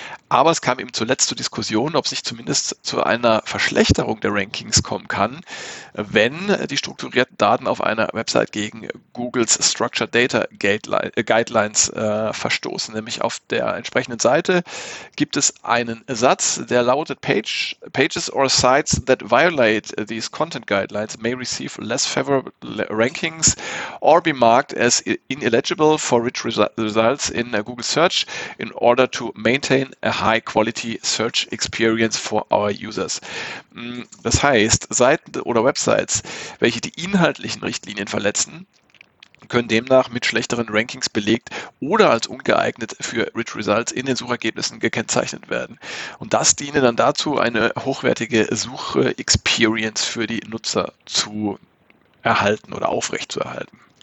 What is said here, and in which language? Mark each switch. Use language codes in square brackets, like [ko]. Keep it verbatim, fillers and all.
[de] Aber es kam eben zuletzt zur Diskussion, ob es nicht zumindest zu einer Verschlechterung der Rankings kommen kann, wenn die strukturierten Daten auf einer Website gegen Googles Structured Data Guideline- äh, Guidelines äh, verstoßen. Nämlich auf der entsprechenden Seite gibt es einen Satz, der lautet: [en] Page, Pages or sites that that violate these content guidelines may receive less favorable rankings or be marked as ineligible for rich resu- results in a Google search in order to maintain a high quality search experience for our users. [de] Mm, Das heißt, Seiten oder Websites, welche die inhaltlichen Richtlinien verletzen, können demnach mit schlechteren Rankings belegt oder als ungeeignet für Rich Results in den Suchergebnissen gekennzeichnet werden. Und das diene dann dazu, eine hochwertige Suche-Experience für die Nutzer zu erhalten oder aufrechtzuerhalten.